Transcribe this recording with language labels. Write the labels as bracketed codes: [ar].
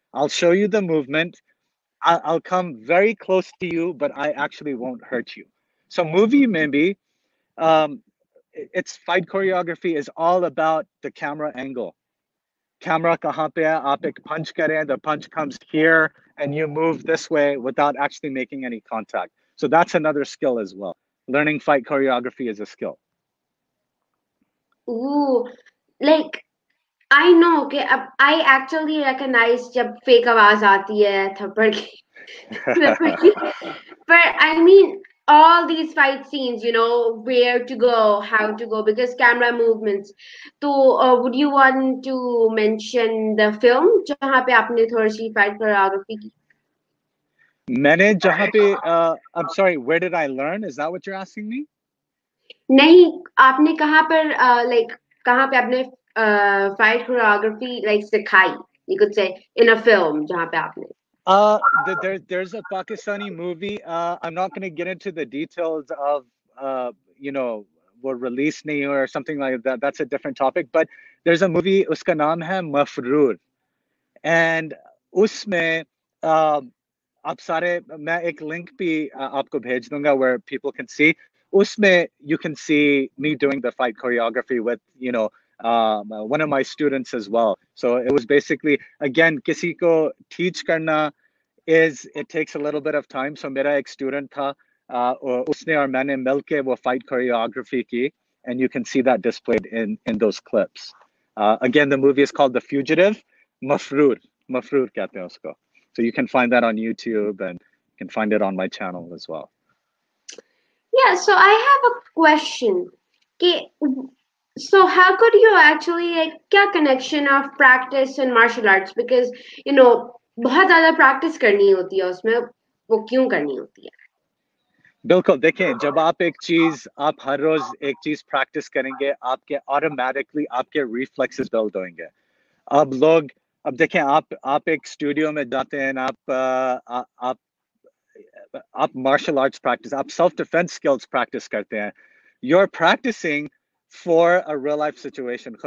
[en] I show you the movement, I come very close to you, but I actually won't hurt you. So movie [hi] में भी [en] It's fight choreography is all about the camera angle. [hi] Camera कहाँ पे है, आप एक पंच करें, [en] The punch comes here and you move this way without actually making any contact. So that's another skill as well. Learning fight choreography is a skill. Ooh, like I know [hi] कि अब [en] I actually recognize [hi] जब fake आवाज आती है थप्पड़ की, [en] but I mean all these fight scenes, you know where to go, how to go, because camera movements. तो would you want to mention the film [hi] जहाँ पे आपने थोड़ी सी fight choreography की? मैंने जहां पे [en] I'm sorry, where did I learn? Is that what you're asking me? [hi] नहीं, आपने कहाँ पर लाइक कहाँ पे आपने फाइट कोरियोग्राफी लाइक सिखाई, [en] you could say in a film [hi] जहाँ पे आपने? [en] There's a Pakistani movie. I'm not going to get into the details of what release nahi or something like that. That's a different topic. But there's a movie, [hi] uska naam hai Mafroor, and usme आप सारे, मैं एक link भी आपको भेज दूंगा [en] Where people can see. [hi] उसमें [en] You can see me doing the fight choreography with one of my students as well. So it was basically, again, [hi] किसी को टीच करना [en] Is it takes a little bit of time. [hi] सो मेरा एक student था, उसने और मैंने मिलके वो फाइट कोरियोग्राफी की, [en] And you can see that displayed in in those clips. Again the movie is called the fugitive, मफरूर, [hi] मफरूर कहते हैं उसको. [en] So you can find that on YouTube and you can find it on my channel as well. Yeah, so I have a question. So how could you actually like क्या connection of practice and martial arts? Because you know [hi] बहुत ज़्यादा practice करनी होती है उसमें, वो क्यों करनी होती है? बिल्कुल, देखें, जब आप एक चीज, आप हर रोज एक चीज प्रैक्टिस करेंगे, आपके ऑटोमेटिकली आपके रिफ्लेक्सेस बिल्ड होंगे. अब देखें, आप एक स्टूडियो में जाते हैं, आप मार्शल आर्ट्स प्रैक्टिस, आप सेल्फ डिफेंस स्किल्स प्रैक्टिस करते हैं, [en] You are practicing for a real life situation.